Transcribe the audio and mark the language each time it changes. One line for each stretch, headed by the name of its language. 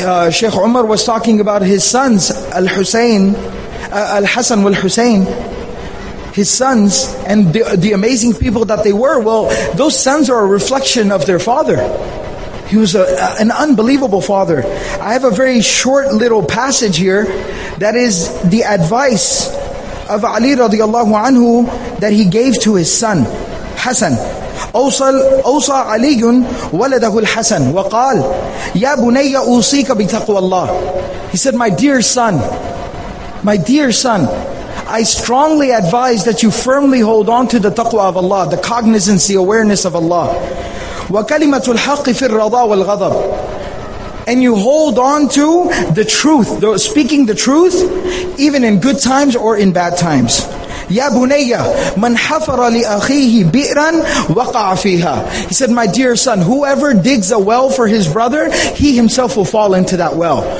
English: Sheikh Umar was talking about his sons, Al-Hasan wal-Husayn, his sons, and the amazing people that they were. Well, those sons are a reflection of their father. He was an unbelievable father. I have a very short little passage here that is the advice of Ali radiallahu anhu that he gave to his son.
Arabic: حسن أوصى علي ولده الحسن وقال يا بني أوصيك بتقوى الله.
English: He said, my dear son, I strongly advise that you firmly hold on to the taqwa of Allah, the cognizance, the awareness of Allah.
Arabic: وكلمة الحق في الرضا والغضب.
English: And you hold on to the truth, speaking the truth, even in good times or in bad times.
Arabic: يَا بُنَيَّ مَنْ حَفَرَ لِأَخِيهِ بِئْرًا وَقَعَ فِيهَا.
English: He said, my dear son, whoever digs a well for his brother, he himself will fall into that well.